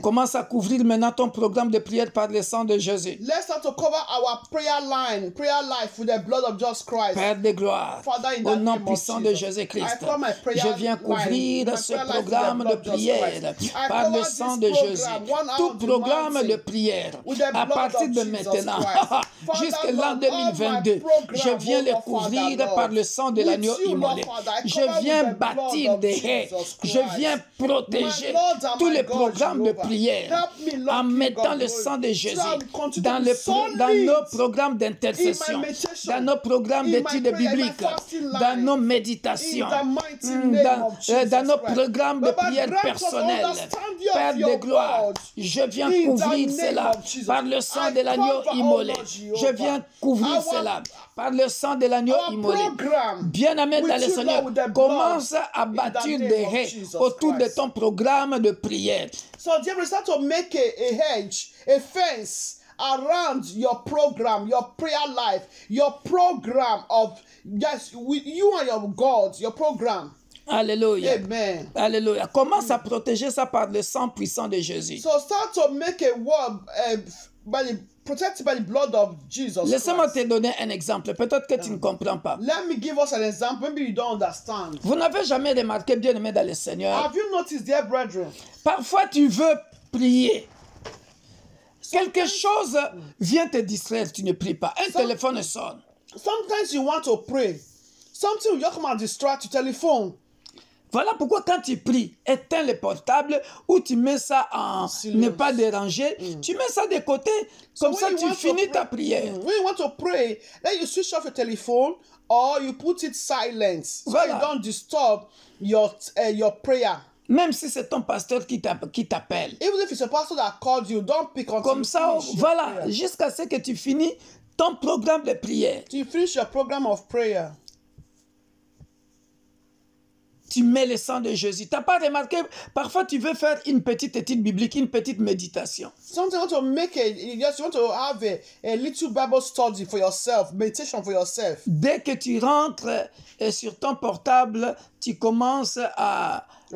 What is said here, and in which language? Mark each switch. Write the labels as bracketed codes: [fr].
[fr] Commence à couvrir maintenant ton programme de prière par le sang de Jésus. [en] Let's start to cover our prayer line, prayer life with the blood of Jesus Christ. [fr] Père de gloire, au nom puissant de Jésus Christ, je viens couvrir ce programme de prière par le sang de Jésus. Tout programme de prière à partir de maintenant jusqu'à l'an 2022, je viens le couvrir par le sang de l'agneau immolé. Je viens bâtir des haies. Je viens protéger tous les programmes de prière en mettant le sang de Jésus dans nos programmes d'intercession, dans nos programmes d'études bibliques, dans nos méditations, dans nos programmes de prière personnelle. Père de gloire, je viens couvrir cela par le sang de l'agneau immolé. Je viens couvrir cela par le sang de l'agneau immolé. Bien aimé dans le Seigneur, commence à bâtir des haies autour de ton programme de prière. [en] So, dear, we start to make a hedge, a fence around your program, your prayer life, your program of, yes, with you and your God, your program. [fr] Alléluia. Amen. Alléluia. Commence à protéger ça par le sang puissant de Jésus. [en] So, start to make a word by the protected by the blood of Jesus. [fr] Laissez-moi te donner un exemple. Peut-être que tu ne comprends pas. [en] Let me give us an example. Maybe you don't understand. [fr] Vous n'avez jamais remarqué, bien aimé dans le Seigneur. [en] Have you noticed, dear brethren? [fr] Parfois, tu veux prier. Quelque chose vient te distraire. Tu ne pries pas. Téléphone sonne. [en] Sometimes you want to pray. Something will come and distract your telephone. [fr] Voilà pourquoi quand tu pries, éteins le portable ou tu mets ça en ne pas déranger. Tu mets ça de côté, comme ça tu finis ta prière. [en] When you want to pray, then you switch off your telephone or you put it silent. [fr] Voilà. [en] So you don't disturb your prayer. [fr] Même si c'est ton pasteur qui t'appelle. [en] Even if it's a pastor that called you, don't pick on. [fr] Comme ça, voilà, jusqu'à ce que tu finis ton programme de prière. [en] Do you finish your program of prayer? [fr] Tu mets le sang de Jésus. Tu n'as pas remarqué, parfois tu veux faire une petite étude biblique, une petite méditation. [en] Sometimes you want to make you want to have a little Bible study for yourself, meditation for yourself. [fr] Dès que tu rentres sur ton portable, tu commences à